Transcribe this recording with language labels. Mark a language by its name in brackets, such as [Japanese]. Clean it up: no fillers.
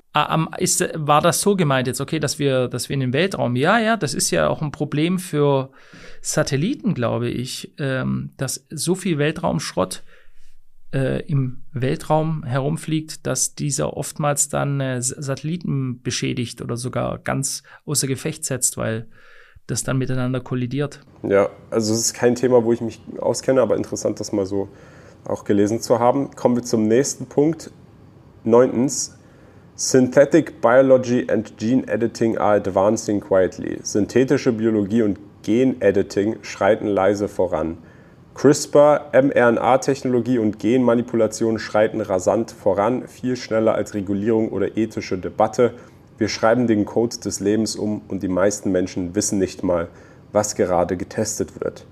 [German] War das so gemeint jetzt, okay, dass wir in den Weltraum, ja, das ist ja auch ein Problem für Satelliten, glaube ich, dass so viel Weltraumschrott im Weltraum herumfliegt, dass dieser oftmals dann Satelliten beschädigt oder sogar ganz außer Gefecht setzt, weil das dann miteinander kollidiert. Ja, also es ist kein Thema, wo ich mich auskenne, aber interessant, das mal so auch gelesen zu haben. Kommen wir zum nächsten Punkt. Neuntens, [English] Synthetic Biology and Gene Editing are advancing quietly. [German] Synthetische Biologie und Gen-Editing schreiten leise voran. CRISPR, mRNA-Technologie und Genmanipulation schreiten rasant voran, viel schneller als Regulierung oder ethische Debatte. Wir schreiben den Code des Lebens um und die meisten Menschen wissen nicht mal, was gerade getestet wird.